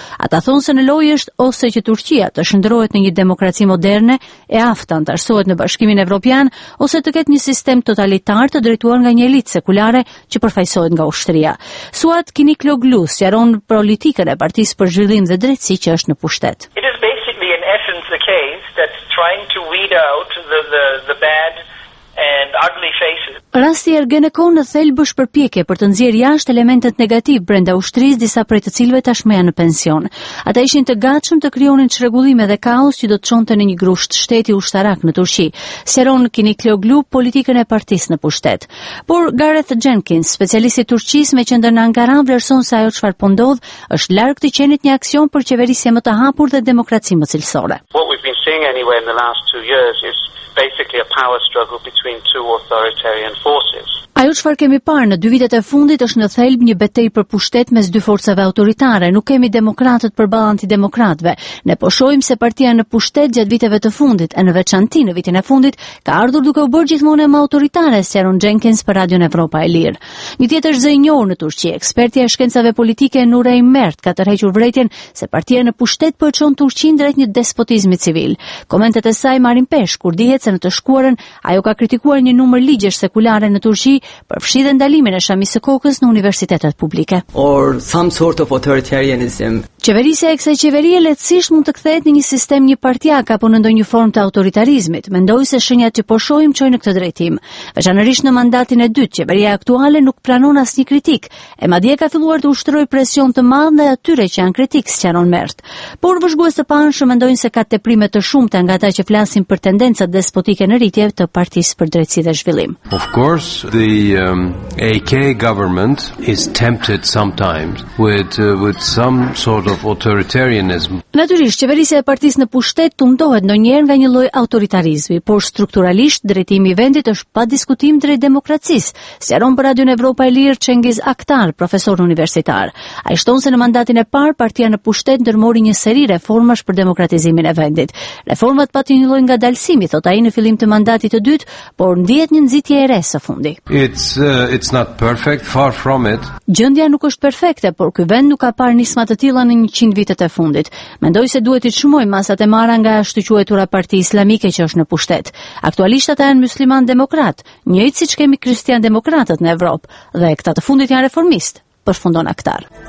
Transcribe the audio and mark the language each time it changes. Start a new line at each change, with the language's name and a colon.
Albanian: Ata thonë se në lojë është ose që Turqia të shndërrohet në një demokraci moderne e aftë antarësohet në Bashkimin Evropian ose të ketë një sistem totalitar të drejtuar nga një elitë sekulare që përfaqësohet nga ushtria. Suat Kiniqloglu sqaron politikën e Partisë për Zhvillim dhe Drejtësi si që është në pushtet.
English: It is basically in essence the case that's trying to weed out the bad and ugly faces.
Albanian: Rasti Ergenekon në thelbësh përpjekje për të nxjerrë jashtë elementet negativ brenda ushtrisë, disa prej të cilëve tashmë janë në pension. Ata ishin të gatshëm të krijonin çrregullime dhe kaos që do të çonte në një grusht shteti ushtarak në Turqi. Sqaron Kiniqloglu politikën e partisë në pushtet. Por Gareth Jenkins, specialist i Turqisë me qendër në Ankara, vlerëson se ajo çfarë po ndodh është larg të qenit një aksion për qeverisje më të hapur dhe demokraci më cilësore.
English: What we've been seeing anyway in the last 2 years is basically a power struggle between two authoritarian forces.
Albanian: Ajo çfarë kemi parë në dy vitet e fundit është në thelb një betejë për pushtet mes dy forcave autoritare. Nuk kemi demokratët përballë antidemokratëve. Ne po shohim se partia në pushtet gjatë viteve të fundit e në veçantë në vitin e fundit ka ardhur duke u bërë gjithmonë më autoritare, sqaron Jenkins për Radio Evropa e Lirë. Një tjetër zë i njohur në Turqi, ekspertja e shkencave politike Nurey Mert, ka tërhequr vërtetën se partia në pushtet po çon Turqinë drejt një despotizmi civil. Komentet e saj marrin pesh kur dihet se në të shkuarën ajo ka kritikuar një numër ligjesh sekulare në Turqi, përfshi dhe ndalimin e shamisë së kokës në universitetet publike.
English: Or some sort of authoritarianism.
Albanian: Qeverisja e kësaj qeverie lehtësisht mund të kthehet në një sistem një partiak apo në ndonjë formë të autoritarizmit. Mendoj se shenjat që po shohim çojnë në këtë drejtim. Veçanërisht në mandatin e dytë, qeveria aktuale nuk pranon asnjë kritik, e madje ka filluar të ushtrojë presion të madh ndaj atyre që janë kritik, sqaron Mert. Por vëzhgues të panshëm mendojnë se ka teprime të shumta nga ata që flasin për tendencat despotike në rritje të Partisë për Drejtësi dhe Zhvillim.
English: Of course, the AK government is tempted sometimes with some sort of authoritarianism.
Albanian: Natyrisht, qeverisja e partisë në pushtet tundohet ndonjëherë nga një lloj autoritarizmi, por strukturalisht drejtimi i vendit është pa diskutim drejt demokracisë, sqaron për Radio Evropa e Lirë Çengiz Aktar, profesor universitar. Ai shton se në mandatin e parë partia në pushtet ndërmori një seri reformash për demokratizimin e vendit. Reformat pati një lloj ngadalësimi, thot ai në fillim të mandatit të dytë, por ndihet një nxitje e re së fundi.
English: It's not perfect, far from it.
Albanian: Gjendja nuk është perfekte, por ky vend nuk ka parë nisma të tilla në 100 vitet e fundit. Mendoj se duhet i çmojmë masat e marra nga ashtu quajtura Parti Islamike që është në pushtet. Aktualisht ata janë musliman demokrat, njëjt siç kemi kristian demokratët në Evropë, dhe këta të fundit janë reformist, përfundon Aktar.